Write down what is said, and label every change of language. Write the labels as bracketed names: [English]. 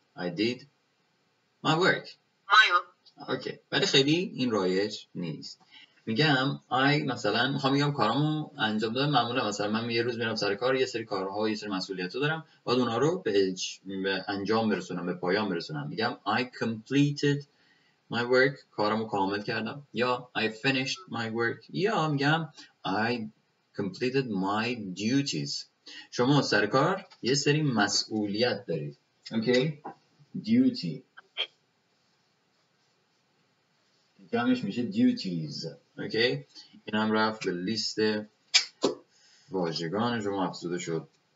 [English] I did my work. My work. [Persian] Okay. ولی خیلی این رایج نیست. میگم I مثلا خواهم میگم کارم رو انجام دادم. معمولا مثلا من یه روز میرم سر کار، یه سری کارها، یه سری مسئولیت رو دارم. بعد اونا رو به انجام برسونم، به پایان برسونم. میگم [English] I completed my work. [Persian] کارم رو کامل کردم. [English] یا I finished my work. [Persian] یا میگم [English] I completed my duties. [Persian] شما سرکار یه سری مسئولیت دارید. [English] Okay. Duty. [Persian] جمعش میشه duties. [English] Okay. [Persian] این هم رفت به لیست واژگان شما افزوده شد.